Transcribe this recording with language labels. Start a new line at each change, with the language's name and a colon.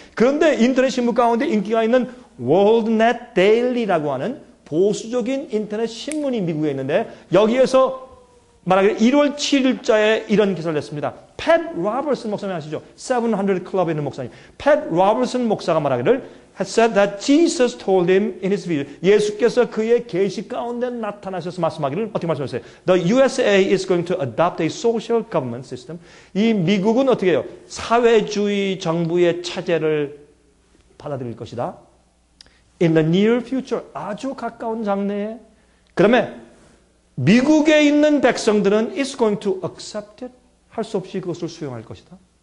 Korean: 그런데 인터넷 신문 가운데 인기가 있는 월드넷 데일리라고 하는 보수적인 인터넷 신문이 미국에 있는데 여기에서 말하기를 1월 7일자에 이런 기사를 냈습니다. 팻 로버슨 목사님 아시죠? 700 클럽에 있는 목사님. 팻 로버슨 목사가 말하기를
English: had said that Jesus told him in his vision.
Korean: 예수께서 그의 계시 가운데 나타나셔서 말씀하기를 어떻게 말씀하셨어요?
English: The USA is going to adopt a social government system.
Korean: 이 미국은 어떻게 해요? 사회주의 정부의 체제를 받아들일 것이다.
English: In the near future,
Korean: 아주 가까운 장래에. 그 다음에 미국에 있는 백성들은
English: is going to accept it.
Korean: 할 수 없이 그것을 수용할 것이다.